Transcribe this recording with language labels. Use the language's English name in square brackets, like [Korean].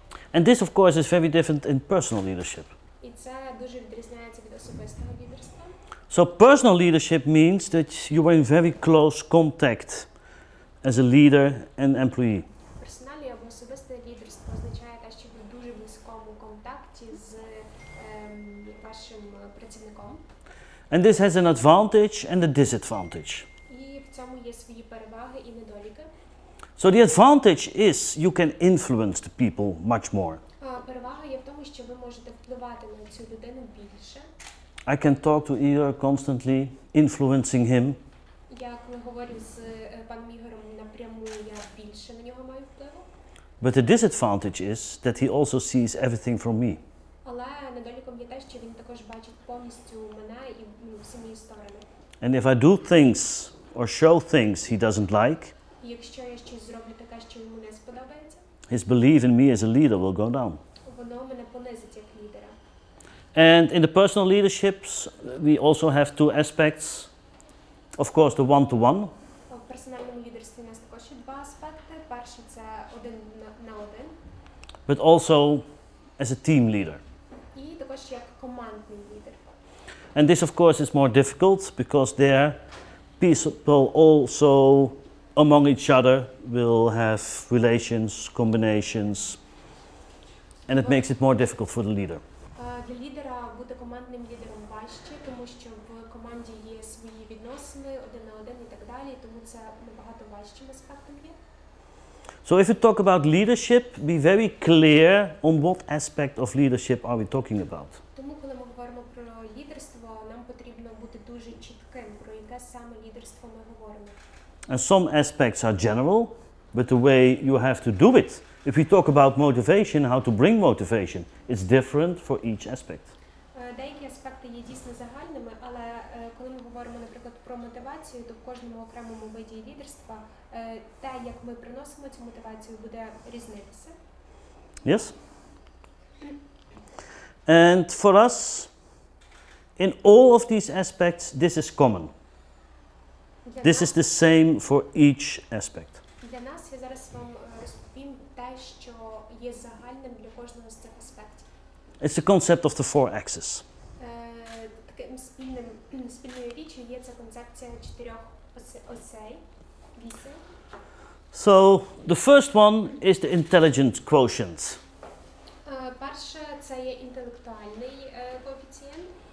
[English] And this, of course, is very different in personal leadership. [Ukrainian] І це дуже відрізняється від особистого лідерства. [English] So personal leadership means that you are in very close contact as a leader and employee. [Ukrainian] Персональне або особисте лідерство означає те, що ви в дуже близькому контакті з вашим працівником. [English] And this has an advantage and a disadvantage. [Ukrainian] І в цьому є свої переваги і недоліки. [English] So the advantage is you can influence the people much more. [Ukrainian] Перевага є в тому, що ви можете впливати на цю людину більше. [English] I can talk to Igor constantly, influencing him. [Ukrainian] Я говорю з паном Ігорем напряму, я більше на нього маю впливу. [English] But the disadvantage is that he also sees everything from me. [Ukrainian] Але недоліком є те, що він також бачить повністю мене і всі мої сторони. [English] And if I do things or show things he doesn't like, [Ukrainian] якщо я щось зроблю таке, що йому не сподобається, [English] his belief in me as a leader will go down. [Ukrainian] Воно мене понизить як лідера. [English] And in the personal leaderships, we also have two aspects. Of course, the one-to-one. [Ukrainian] В персональному лідерстві у нас також є два аспекти. Перший – це один на один. [English] But also as a team leader. [Ukrainian] І також як командний лідер. [English] And this, of course, is more difficult because there people also among each other will have relations, combinations, and it makes it more difficult for the leader. [Ukrainian] Для лідера бути командним лідером важче, тому що в команді є свої відносини один на один і так далі, тому це набагато важчим аспектом є. [English] So if you talk about leadership, be very clear on what aspect of leadership are we talking about. [Ukrainian] Тому коли ми говоримо про лідерство, нам потрібно бути дуже чітким, про яке саме лідерство ми говоримо. [English] And some aspects are general, but the way you have to do it. If we talk about motivation, how to bring motivation, it's different for each aspect. [Ukrainian] Деякі аспекти є дійсно загальними, але коли ми говоримо, наприклад, про мотивацію, то в кожному окремому виді лідерства те, як ми приносимо цю мотивацію, буде різнитися. [English] Yes. And for us, in all of these aspects, this is common. This is the same for each aspect. [Ukrainian] Для нас, я зараз вам розповім те, що є загальним для кожного з цих аспектів. [English] It's the concept of the four axes. [Ukrainian] Таким спільною річчю є ця концепція чотирьох осей. [English] So, the first one is the intelligent quotient. [Ukrainian] Перше, це є інтелектуальний коефіцієнт.